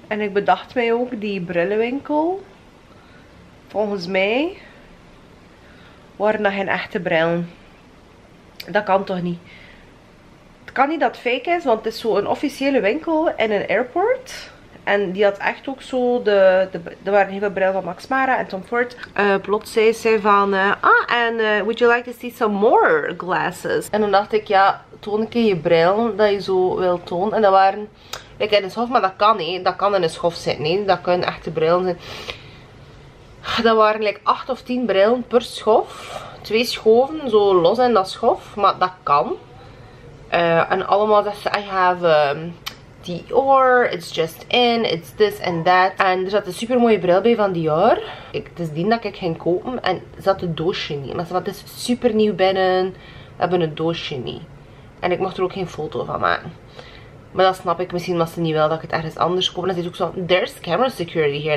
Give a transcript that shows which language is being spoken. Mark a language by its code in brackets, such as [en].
[nl] En ik bedacht mij ook die brillenwinkel. Volgens mij waren dat geen echte brillen. Dat kan toch niet? Het kan niet dat het fake is, want het is zo'n officiële winkel in een airport. En die had echt ook zo er waren heel veel brillen van Max Mara en Tom Ford. Plots zei ze van, [en] would you like to see some more glasses? [nl] En dan dacht ik, ja, toon een keer je bril dat je zo wil tonen. En dat waren, kijk, in een schof, maar dat kan niet. Dat kan in een schof zitten, nee. Dat kunnen echte brillen zijn. Dat waren like 8 of 10 brillen per schof. 2 schoven, zo los in dat schof. Maar dat kan. En allemaal dat ze, [en] I have... Dior, it's just in, it's this and that. [nl] En er zat een super mooie bril bij van Dior. Het is die dat ik ging kopen en zat het doosje niet. Maar ze zat, het is super nieuw binnen, we hebben het doosje niet. En ik mocht er ook geen foto van maken. Maar dat snap ik misschien, was ze niet wel dat ik het ergens anders koop. En ze is ook zo, [en] there's camera security here.